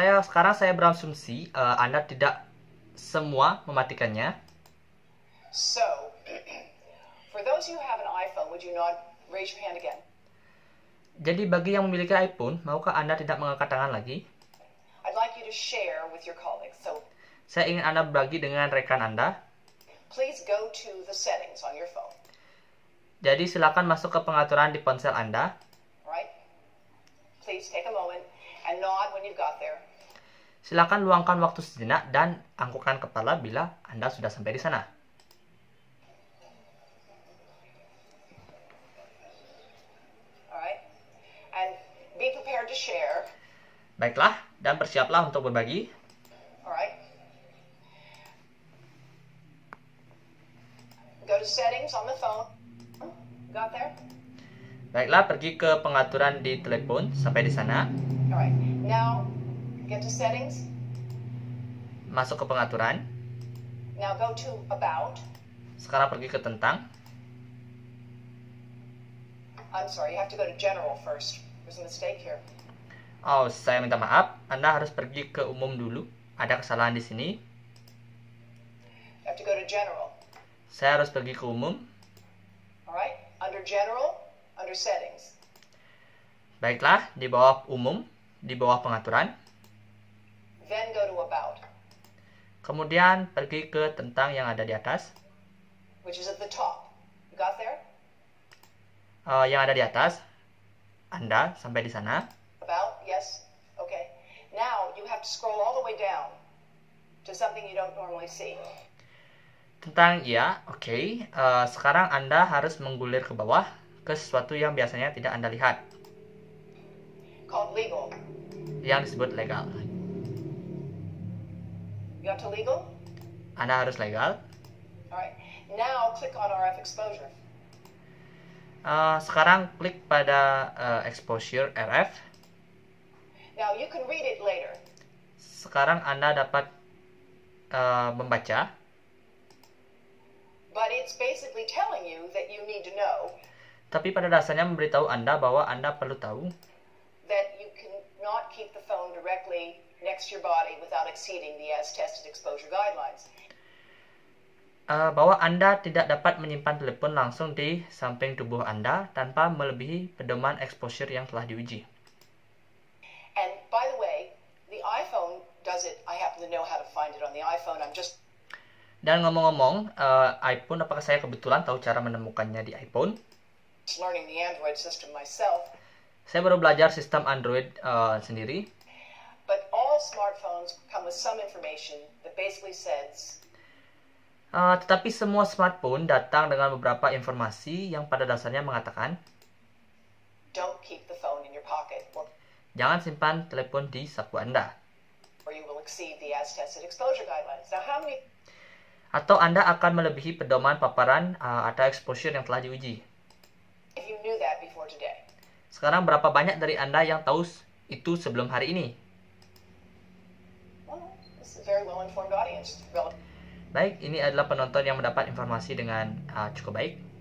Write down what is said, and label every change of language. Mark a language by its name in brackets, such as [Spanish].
[Indonesian] Sekarang saya berasumsi Anda tidak semua mematikannya. [English] So, for those who have an iPhone, would you not raise your hand again? [Indonesian] Jadi bagi yang memiliki iPhone, maukah Anda tidak mengangkat tangan lagi? [English] I'd like you to share with your colleagues. So, [Indonesian] saya ingin Anda berbagi dengan rekan Anda. [English] Please go to the settings on your phone. [Indonesian] Jadi silakan masuk ke pengaturan di ponsel Anda. [English] Right. Please take a moment and nod when you've got there. [Indonesian] Silakan luangkan waktu sejenak dan angkukkan kepala bila Anda sudah sampai di sana. [English] All right. And be prepared to share. [Indonesian] Baiklah, dan persiaplah untuk berbagi. [English] Alright. Go to settings on the phone. Got there? [Indonesian] Baiklah, pergi ke pengaturan di telepon sampai di sana. [English] Alright. Now get to settings. [Indonesian] Masuk ke pengaturan. [English] Now go to about. [Indonesian] Sekarang pergi ke tentang. [English] I'm sorry, you have to go to general first. There's a mistake here. [Indonesian] Oh, saya minta maaf. Anda harus pergi ke umum dulu. Ada kesalahan di sini. [English] You have to go to general. [Indonesian] Saya harus pergi ke umum. [English] Alright, under general, under settings. [Indonesian] Baiklah, di bawah umum, di bawah pengaturan. [English] Then go to about. [Indonesian] Kemudian pergi ke tentang yang ada di atas. [English] Which is at the top. You got there? [Indonesian] Yang ada di atas. Anda sampai di sana. [English] About, yes. Okay. Now you have to scroll all the way down to something you don't normally see. [Indonesian] Tentang ya, oke. Okay. Sekarang Anda harus menggulir ke bawah ke sesuatu yang biasanya tidak Anda lihat. [English] Called legal. [Indonesian] Yang disebut legal. [English] You have to legal? [Indonesian] Anda harus legal. [English] Alright. Now click on RF exposure. [Indonesian] Sekarang klik pada exposure RF. [English] Now you can read it later. [Indonesian] Sekarang Anda dapat membaca. [English] But it's basically telling you that you need to know. [Indonesian] Tapi pada dasarnya memberitahu Anda bahwa Anda perlu tahu. [English] That you cannot keep the phone directly next to your body without exceeding the as-tested exposure guidelines. [Indonesian] Bahwa Anda tidak dapat menyimpan telepon langsung di samping tubuh Anda tanpa melebihi pedoman exposure yang telah diuji. [English] And by the way, the iPhone does it. I happen to know how to find it on the iPhone. I'm just. [Indonesian] Dan ngomong-ngomong, iPhone, apakah saya kebetulan tahu cara menemukannya di iPhone? [English] Learning the Android system myself. [Indonesian] Saya baru belajar sistem Android sendiri. [English] But all smartphones come with some information that basically says. [Indonesian] Tetapi semua smartphone datang dengan beberapa informasi yang pada dasarnya mengatakan, [English] don't keep the phone in your pocket. [Indonesian] Jangan simpan telepon di saku Anda. [English] Or you will exceed the as-tested exposure guidelines. Now, how many? [Indonesian] Atau Anda akan melebihi pedoman paparan atau exposure yang telah diuji. [English] If you knew that before today. [Indonesian] Sekarang berapa banyak dari Anda yang tahu itu sebelum hari ini? [English] Well, this is a very well-informed audience. [Indonesian] Baik, ini adalah penonton yang mendapat informasi dengan cukup baik.